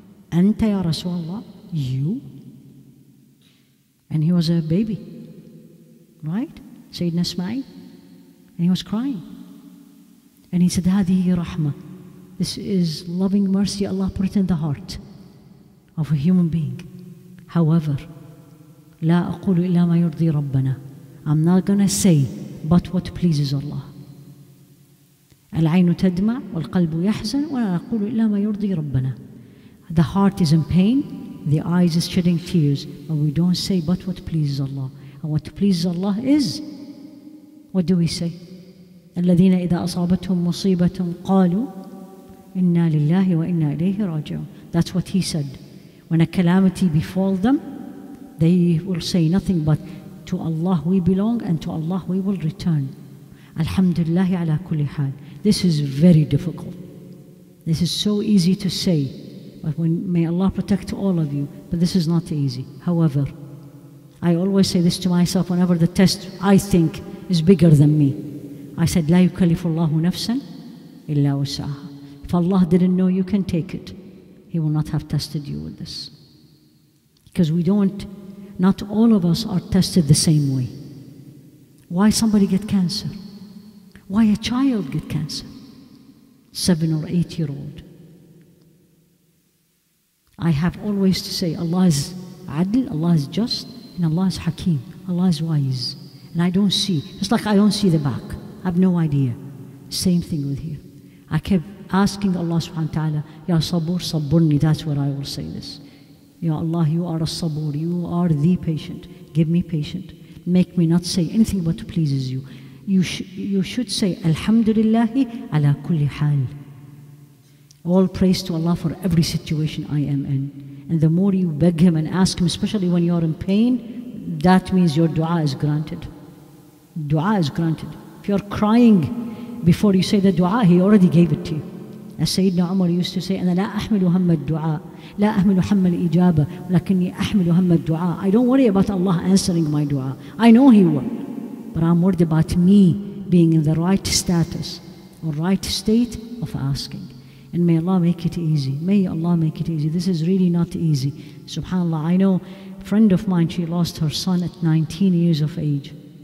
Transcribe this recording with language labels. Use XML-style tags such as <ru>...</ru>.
<en>Anta ya Rasulullah, you? And he was a baby. Right? Sayyidina Ismail. And he was crying. And he said, hadihi rahma. This is loving mercy Allah put in the heart of a human being.</en> <ar>However, لا أقول إلا ما يرضي ربنا.</ar> <en>I'm not gonna say but what pleases Allah.</en> <ar>العين تدمع والقلب يحزن ولا أقول إلا ما يرضي ربنا.</ar> <en>The heart is in pain, the eyes is shedding tears, but we don't say but what pleases Allah. And what pleases Allah is, what do we say?</en> <ar>الذين إذا أصابتهم مصيبة قالوا إنا لله وإنا إليه راجعون.</ar> <en>That's what he said. When a calamity befall them, they will say nothing but, to Allah we belong and to Allah we will return. Alhamdulillah ala kulli hal. This is very difficult. This is so easy to say. But when, may Allah protect all of you. But this is not easy. However, I always say this to myself whenever the test I think is bigger than me.</en> <ar>I said, لا يكلف الله نفسا إلا وسعها.</ar> <en>If Allah didn't know you can take it, He will not have tested you with this. Because we don't, not all of us are tested the same way. Why somebody get cancer? Why a child get cancer? 7 or 8 year old. I have always to say, Allah is adl, Allah is just, and Allah is hakim, Allah is wise. And I don't see, just like I don't see the back. I have no idea. Same thing with here. I kept asking Allah subhanahu wa ta'ala, Ya sabur, saburni, that's where I will say this. Ya Allah, you are a sabur, you are the patient. Give me patience. Make me not say anything but pleases you. You should say, Alhamdulillah ala kulli hal. All praise to Allah for every situation I am in. And the more you beg Him and ask Him, especially when you are in pain, that means your dua is granted. Dua is granted. If you are crying before you say the dua, He already gave it to you.</en> <ar>As Sayyidina Umar used to say, أنا لا أحمل هم الدعاء لا أحمل هم الإجابة لكني أحمل هم الدعاء.</ar> <en>I don't worry about Allah answering my dua. I know He will. But I'm worried about me being in the right status or right state of asking. And may Allah make it easy. May Allah make it easy. This is really not easy. SubhanAllah, I know a friend of mine, she lost her son at 19 years of age.</en>